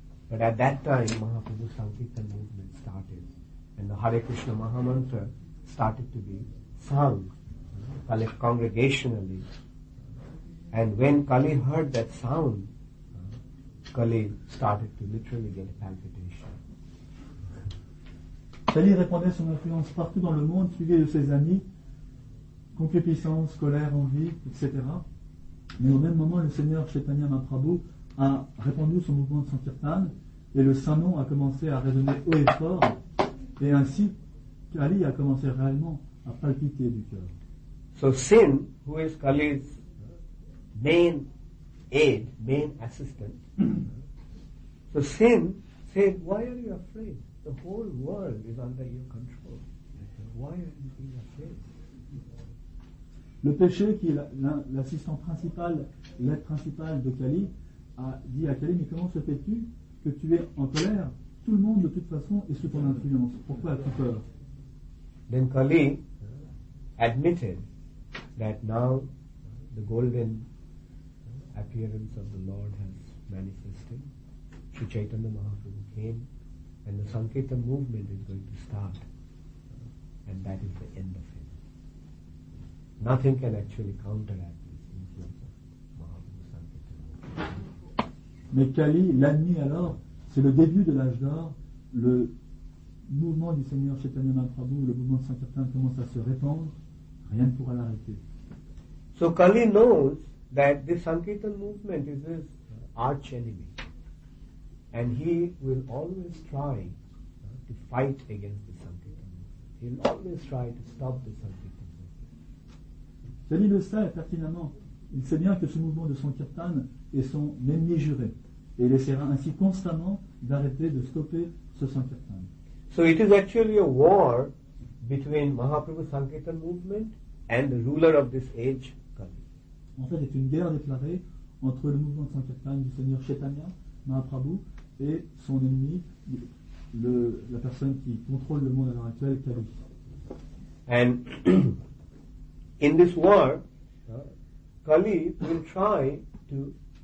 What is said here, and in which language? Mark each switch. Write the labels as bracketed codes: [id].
[en] But at that time, Mahaprabhu Sankirtan movement started and the Hare Krishna Mahamantra started to be sung congregationally. And when Kali heard that sound, Kali started to literally get a palpitation. [fr] Kali répandait son influence partout dans le monde, suivi de ses amis. concupiscence, colère, envie, etc. Mais au même moment, le Seigneur Chaitanya Mahaprabhu a répandu son mouvement de Sankirtan et le Saint-Nom a commencé à résonner haut et fort. Et ainsi, Kali a commencé réellement à palpiter du cœur. [en] So Sin, who is Kali's main aide, main assistant, so Sin said, why are you afraid? The whole world is under your control. Why are you being afraid? [fr] Le péché, qui est l'assistant principal, l'aide principale de Kali, a dit à Kali, mais comment se fais-tu que tu es en colère? Tout le monde, de toute façon, est sous ton influence. Pourquoi as-tu peur? [en] Then Kali admitted that now the golden appearance of the Lord has manifested. Sri Chaitanya Mahaprabhu came and the Sankirtan movement is going to start. And that is the end of it. Nothing can actually counteract this influence of Mahaprabhu Sankirtan. [fr] Mais Kali l'admit alors, c'est le début de l'âge d'or, le mouvement du Seigneur Chaitanya Mahaprabhu, le mouvement de Sankirtan commence à se répandre, rien ne pourra l'arrêter. [en] So Kali knows that this Sankirtan movement is his arch enemy. And he will always try to fight against the Sankirtan movement. He will always try to stop the Sankirtan movement. [fr] Kali le sait pertinemment. Il sait bien que ce mouvement de Sankirtan est son ennemi juré. Et il essaiera ainsi constamment d'arrêter, de stopper ce Sankirtan. [en] So it is actually a war between Mahaprabhu Sankirtan movement and the ruler of this age, Kali. [fr] En fait, c'est une guerre déclarée entre le mouvement de Sankirtan du Seigneur Chaitanya Mahaprabhu et son ennemi, la personne qui contrôle le monde à l'heure actuelle, Kali. [en] And in this war, Kali will try to.